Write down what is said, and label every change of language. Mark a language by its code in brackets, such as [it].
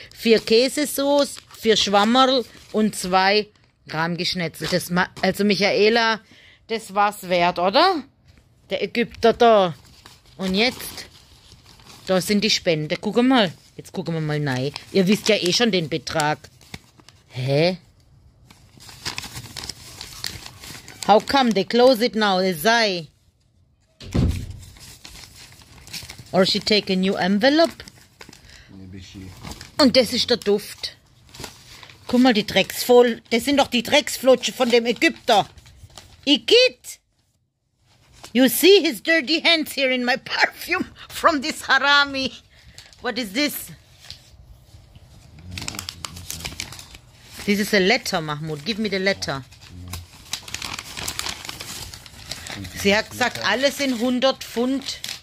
[de] 4 Käsesoße, 4 Schwammerl und 2 rahmgeschnetzelt. Also Michaela, das war's wert, oder? Der Ägypter da. Und jetzt, da sind die Spende. Gucken wir mal. Jetzt gucken wir mal rein. Ihr wisst ja eh schon den Betrag. Hä? [en] How come they close it now? Is I? Or she take a new envelope? Maybe she. [de] Und das ist der Duft. Guck mal, die Drecksvoll. Das sind doch die Drecksflutsche von dem Ägypter. Igitt! [en] You see his dirty hands here in my perfume from this harami. What is this? This is a letter, Mahmoud. Give me the letter. [de] Sie hat gesagt, alles in 100 Pfund.